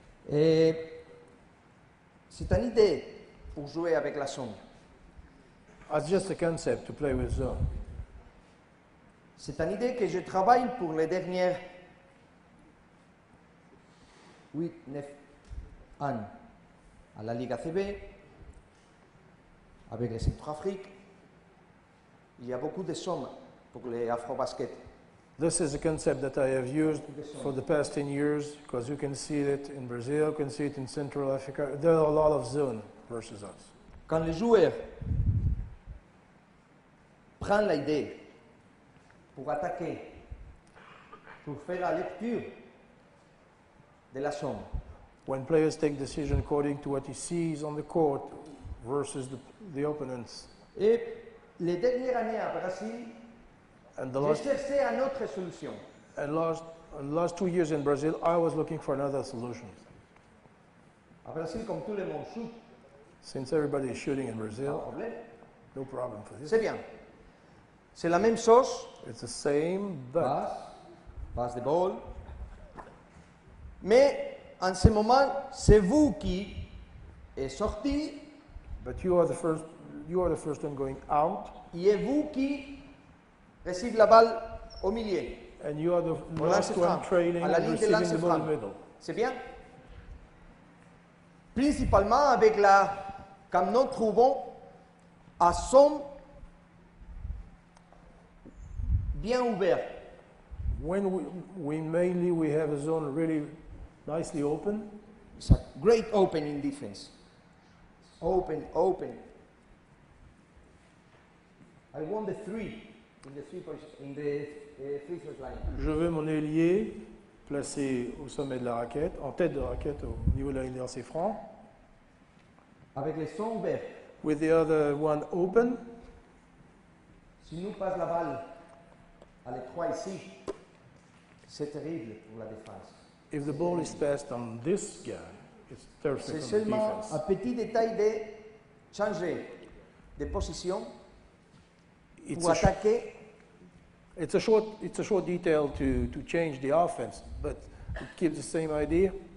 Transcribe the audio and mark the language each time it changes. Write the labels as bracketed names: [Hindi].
[French] C'est une idée pour jouer avec la zone. [English] It's just a concept to play with zone. [French] C'est une idée que je travaille pour les dernières 8, 9 ans à la Ligue ACB, avec les Centrafrique. Il y a beaucoup de zones pour les Afro-Basket. [English] This is a concept that I have used for the past 10 years because you can see it in Brazil, you can see it in Central Africa. There are a lot of zones versus us. [French] Quand le joueur prend l'idée pour attaquer, pour faire la lecture de la zone. [English] When players take decision according to what he sees on the court versus the opponents. [French] Et les dernières années à Brésil, [English] And the last, [French] je cherchais une autre solution. [English] And last 2 years in Brazil, I was looking for another solution. [French] À Brésil, comme tout le monde shoot. [English] Since everybody is shooting in Brazil, [French] pas problème. [English] No problem for this. [French] C'est bien. C'est la même chose. [English] It's the same, but pass the ball. [French] Mais en ce moment, c'est vous qui est sorti. [English] But you are the first one going out. [French] Et est vous qui recevez la balle au milieu. [English] And you are the last one trailing [French] à la ligne [English] receiving the ball in the middle. [French] C'est bien. Principalement avec la comme nous trouvons à son bien ouvert. [English] When we mainly have a zone really nicely open. It's a great open in defense. Open. I want the three in the three position, in the free throw line. [French] Je veux mon ailier placé au sommet de la raquette, en tête de raquette au niveau de la ligne de lancer franc. Avec le son ouvert. [English] With the other one open. [French] Si nous passe la balle à les trois ici, c'est terrible pour la défense. [English] If the ball is passed on this guy, it's terrific for the defense. [French] C'est seulement un petit détail de changer de position pour attaquer. [English] It's a short detail to change the offense, but it keeps the same idea.